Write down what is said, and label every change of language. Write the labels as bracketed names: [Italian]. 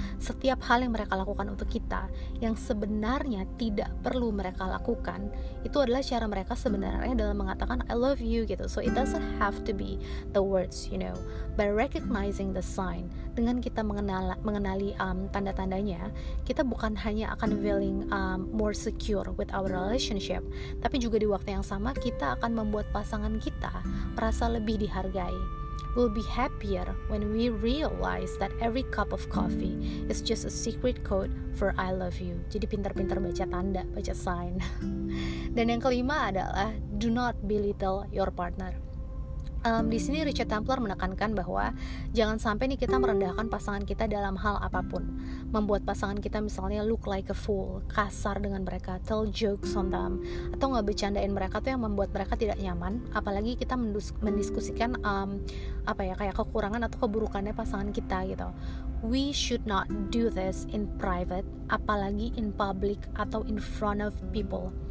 [Indonesian] Setiap hal yang mereka lakukan untuk kita, yang sebenarnya tidak perlu mereka lakukan, itu adalah cara mereka sebenarnya dalam mengatakan [English] I love you [Indonesian] gitu. [English] So it doesn't have to be the words, you know. By recognizing the sign, [Indonesian] dengan kita mengenali tanda-tandanya, kita bukan hanya akan [English] feeling more secure with our relationship, [Indonesian] tapi juga di waktu yang sama kita akan membuat pasangan kita merasa lebih dihargai. [English] We'll be happier when we realize that every cup of coffee is just a secret code for I love you. [Indonesian] Jadi pintar-pintar baca tanda, baca sign. Dan yang kelima adalah [English] do not belittle your partner. [Indonesian] Di sini Richard Templer menekankan bahwa jangan sampai nih kita merendahkan pasangan kita dalam hal apapun, membuat pasangan kita misalnya [English] look like a fool, [Indonesian] kasar dengan mereka, [English] tell jokes on them, [Indonesian] atau nggak bercandain mereka tuh yang membuat mereka tidak nyaman, apalagi kita mendiskusikan kayak kekurangan atau keburukannya pasangan kita gitu. [English] We should not do this in private, [Indonesian] apalagi [English] in public [Indonesian] atau [English] in front of people.